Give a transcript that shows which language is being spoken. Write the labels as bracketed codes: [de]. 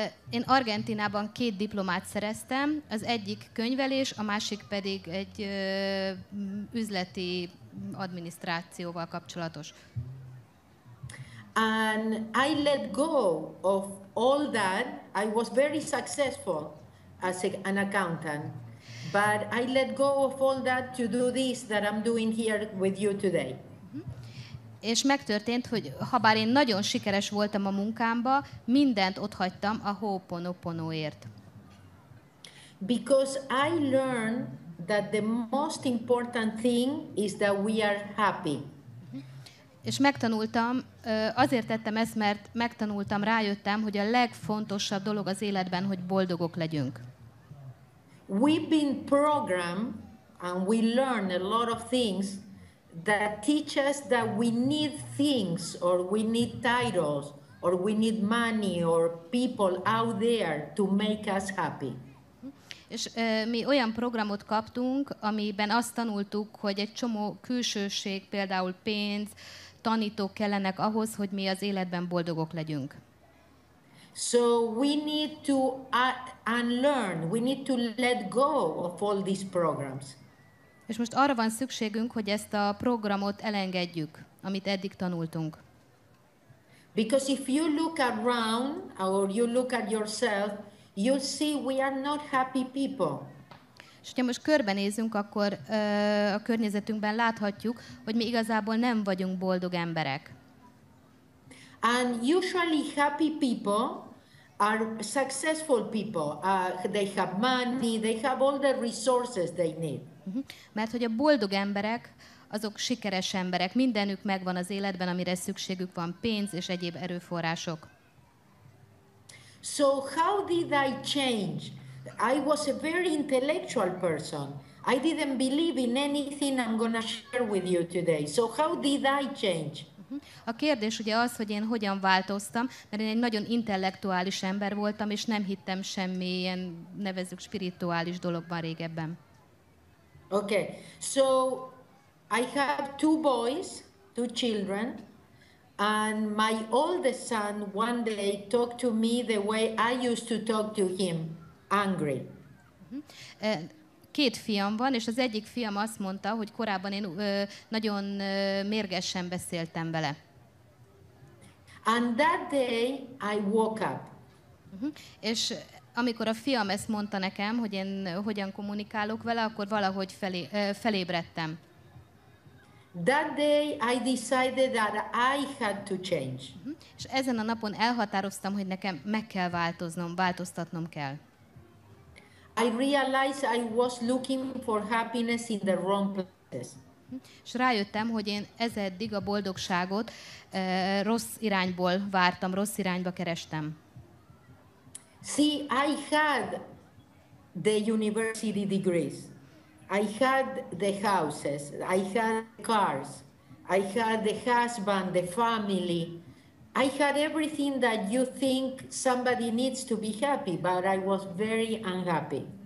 [hu] Én Argentinában két diplomát szereztem, az egyik könyvelés, a másik pedig egy üzleti adminisztrációval kapcsolatos. [en] And I let go of all that. I was very successful as an accountant. But I let go of all that to do this that I'm doing here with you today. [hu] És megtörtént, hogy habár én nagyon sikeres voltam a munkámba, mindent ott hagytam a Ho'oponoponóért. [en] Because I learned that the most important thing is that we are happy. [hu] És megtanultam, azért tettem ezt, mert megtanultam, rájöttem, hogy a legfontosabb dolog az életben, hogy boldogok legyünk. [en] We've been programmed and we learn a lot of things that teach us that we need things or we need titles or we need money or people out there to make us happy. [hu] És mi olyan programot kaptunk, amiben azt tanultuk, hogy egy csomó külsőség, például pénz, tanítók kellenek ahhoz, hogy mi az életben boldogok legyünk. [en] So we need to unlearn, we need to let go of all these programs. [hu] És most arra van szükségünk, hogy ezt a programot elengedjük, amit eddig tanultunk. [en] Because if you look around or you look at yourself, you see we are not happy people. [hu] És ha most körbenézünk, akkor a környezetünkben láthatjuk, hogy mi igazából nem vagyunk boldog emberek. [en] And usually happy people are successful people. They have money, they have all the resources they need. [hu] Mert hogy a boldog emberek, azok sikeres emberek. Mindenük megvan az életben, amire szükségük van, pénz és egyéb erőforrások. [en] So how did I change? I was a very intellectual person. I didn't believe in anything I'm going to share with you today. So how did I change? [hu] A kérdés ugye az, hogy én hogyan változtam, mert én egy nagyon intellektuális ember voltam, és nem hittem semmi ilyen, nevezzük spirituális dologban régebben. [en] Okay, so I have two boys, two children, and my oldest son one day talked to me the way I used to talk to him, angry. [hu] két fiam van, és az egyik fiam azt mondta, hogy korábban én nagyon mérgesen beszéltem vele. [en] And that day I woke up. [hu] És amikor a fiam ezt mondta nekem, hogy én hogyan kommunikálok vele, akkor valahogy felébredtem. [en] That day I decided that I had to change. [hu] És ezen a napon elhatároztam, hogy nekem meg kell változnom, változtatnom kell. [en] I realized I was looking for happiness in the wrong places. [hu] És rájöttem, hogy én ezeddig a boldogságot rossz irányból vártam, rossz irányba kerestem. [en] See, I had the university degrees. I had the houses, I had cars, I had the husband, the family. I had everything that you think somebody needs to be happy, but I was very unhappy.